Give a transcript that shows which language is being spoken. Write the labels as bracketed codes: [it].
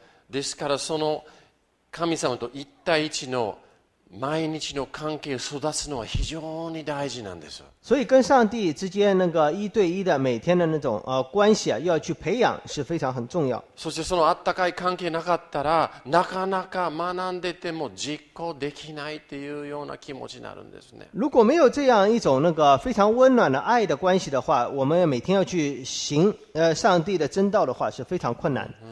[ja] ですからその神様と一対一の毎日の関係を育つのは非常に大事なんです。 [zh] 所以跟上帝之间那个一对一的每天的那种关系啊，要去培养是非常很重要。 [ja] そしてそのあったかい関係なかったらなかなか学んでても実行できないっていうような気持ちになるんですね。 [zh] 如果没有这样一种那个非常温暖的爱的关系的话，我们每天要去行上帝的真道的话是非常困难。